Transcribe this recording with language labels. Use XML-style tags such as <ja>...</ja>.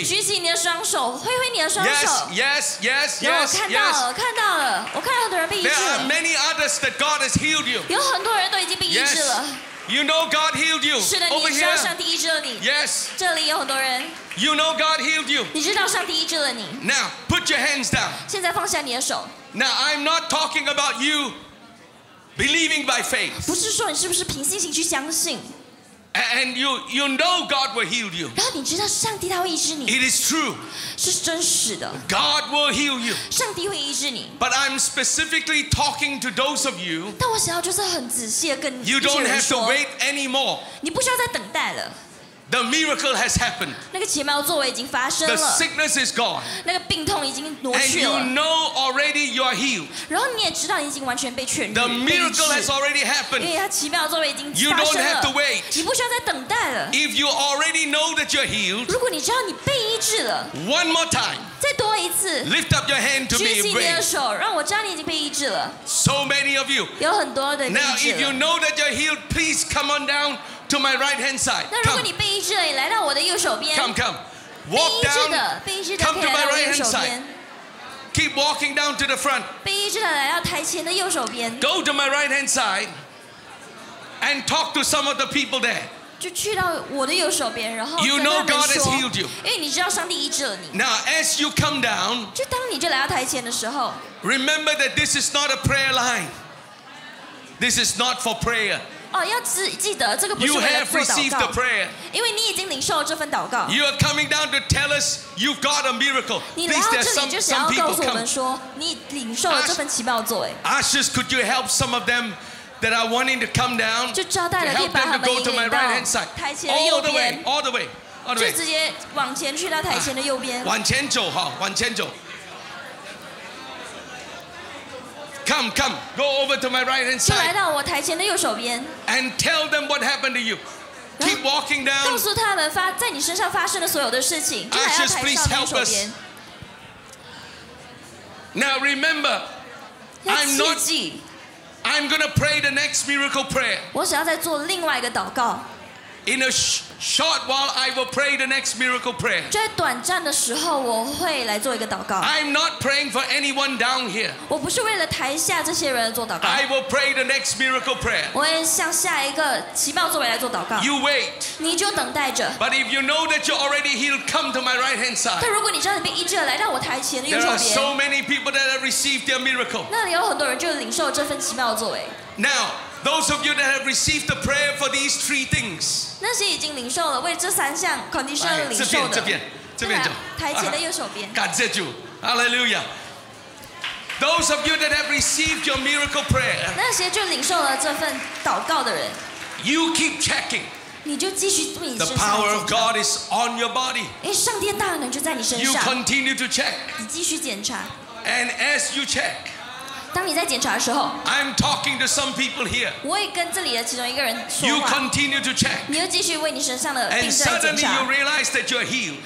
<zh>举起你的双手，挥挥你的双手。</zh> <en>Yes.</en> <zh>让我看到了，看到了，我看到。</zh> <en>There are many others that God has healed you.</en> <zh>有很多人都已经被医治了。</zh> <en>You know God healed you.</en> <zh>是的，你知道上帝医治了你。</zh> <en>Yes.</en> <zh>这里有很多人。</zh> <en>You know God healed you.</en> <zh>你知道上帝医治了你。</zh> <en>Now put your hands down.</en> <zh>现在放下你的手。</zh> <en>Now I'm not talking about you believing by faith.</en> <zh>不是说你是不是凭信心去相信。</zh> <en>And you know God will heal you.</en> <zh>然后你知道上帝他会医治你。</zh> <en>It is true.</en> <zh>是真实的。</zh> <en>God will heal you.</en> <zh>上帝会医治你。</zh> <en>But I'm specifically talking to those of you.</en> <zh>但我想要就是很仔细的跟一些人说。</zh> <en>You don't have to wait anymore.</en> <zh>你不需要再等待了。</zh> <en>The miracle has happened.</en> <zh>那个奇妙作为已经发生了。</zh> <en>The sickness is gone.</en> <zh>那个病痛已经挪去了。</zh> <en>And you know already you are healed.</en> <zh>然后你也知道你已经完全被痊愈。</zh> <en>The miracle has already happened.</en> <zh>因为它奇妙作为已经发生</zh> <en>了。You don't have to wait. If you already know that you're healed,</en> <zh>如果你知道你被医治了</zh> <en>，One more time，</en> <zh>再多一次</zh> <en>，Lift up your hand to me and wave.</en> <zh>举起你的手，让我知道你已经被医治了。</zh> <en>So many of you，</en> <zh>有很多的被医治了。</zh> <en>Now, if you know that you're healed, please come on down to my right hand side.</en> <zh>那如果你被医治了，你来到我的右手边。</zh> <en>Come. Walk down.</en> <zh>被医治的</zh> <en>，Come to my right hand side. Keep walking down to the front.</en> <zh>被医治的来到台前的右手边。</zh> <en>Go to my right hand side and talk to some of the people there.</en> <zh>就去到我的右手边，然后跟他们说。</zh> <en>You know God has healed you.</en> <zh>因为你知道上帝医治了你。</zh> <en>Now as you come down.</en> <zh>就当你就来到台前的时候。</zh> <en>Remember that this is not a prayer line. This is not for prayer.</en> <zh>哦，要记记得这个不是为了做祷告，因为你已经领受了这份祷告。</zh> <en>You are coming down to tell us you've got a miracle.</en> <zh>你来到这里就想要告诉我们说，你领受了这份奇妙作为。</zh> <en>Ashes, could you help some of them that are wanting to come down?</en> <zh>就招待了，可以把他们引到台前的右边。</zh> <en>All the way.</en> <zh>就直接往前去到台前的右边。往前走哈，往前走。</zh> <en>Come, go over to my right hand side.</en> <zh>就来到我台前的右手边。</zh> <en>And tell them what happened to you. Keep walking down.</en> <zh>告诉他们发在你身上发生的所有的事情。就来到台上的右手边。</zh> <en>Now remember, I'm gonna pray the next miracle prayer.</en> <zh>我想要再做另外一个祷告。</zh> <en>In a short while, I will pray the next miracle prayer.</en> <zh>在短暂的时候，我会来做一个祷告。</zh> <en>I'm not praying for anyone down here.</en> <zh>我不是为了台下这些人做祷告。</zh> <en>I will pray the next miracle prayer.</en> <zh>我会向下一个奇妙作为来做祷告。</zh> <en>You wait.</en> <zh>你就等待着。</zh> <en>But if you know that you're already healed, come to my right hand side.</en> <zh>但如果你知道你被医治了，来到我台前的右手边。</zh> <en>There are so many people that have received their miracle.</en> <zh>那里有很多人就领受了这份奇妙作为。</zh> <en>Now. Those of you that have received the prayer for these three things,</en> <zh>那些已经领受了为这三项 condition 领受的，这边就台前的右手边。感谢主 ，Hallelujah.</zh> <en>Those of you that have received your miracle prayer,</en> <zh>那些就领受了这份祷告的人</zh> <en>，You keep checking.</en> <zh>你就继续对你</zh> <en>The power of God is on your body.</en> <zh>哎，上帝的大能就在你身上。</zh> <en>You continue to check.</en> <zh>你继续检查。</zh> <en>And as you check.</en> <zh>当你在检查的时候</zh> <en>，I'm talking to some people here.</en> <zh>我也跟这里的其中一个人说话。</zh> <en>You continue to check.</en> <zh>你又继续为你身上的病症检查。</zh> <en>And suddenly you realize that you're healed.</en>